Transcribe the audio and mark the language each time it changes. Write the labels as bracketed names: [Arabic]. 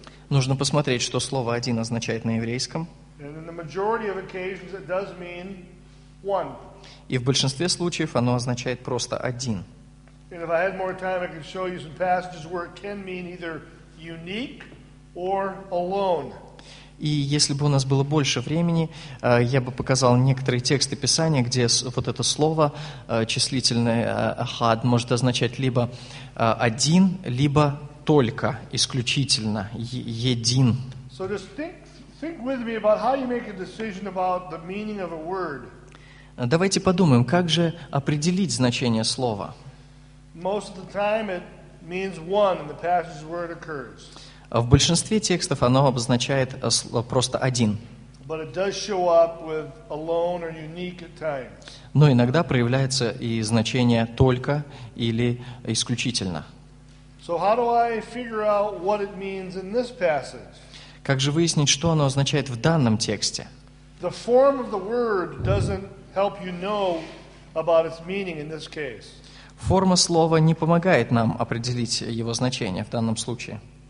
[Russian] Нужно посмотреть, что слово «один» означает на еврейском. И в большинстве случаев оно означает просто «один». [English] And if I had more time, I could show you some passages where it can mean either unique or alone. [Russian] И если бы у нас было больше времени, я бы показал некоторые тексты Писания, где вот это слово числительное «ахад» может означать либо один, либо только, исключительно, един. [English] So just think with me about how you make a decision about the meaning of a word. [Russian] Давайте подумаем, как же определить значение слова. [English] Most of the time, it means one in the passage where it occurs. [Russian] В большинстве текстов оно обозначает просто один. [English] But it does show up with alone or unique at times. [Russian] Но иногда проявляется и значение только или исключительно. [English] So how do I figure out what it means in this passage? [Russian] Как же выяснить, что оно означает в данном тексте? [English] The form of the word doesn't help you know about its meaning in this case. [Russian] Форма слова не помогает нам определить его значение в данном случае.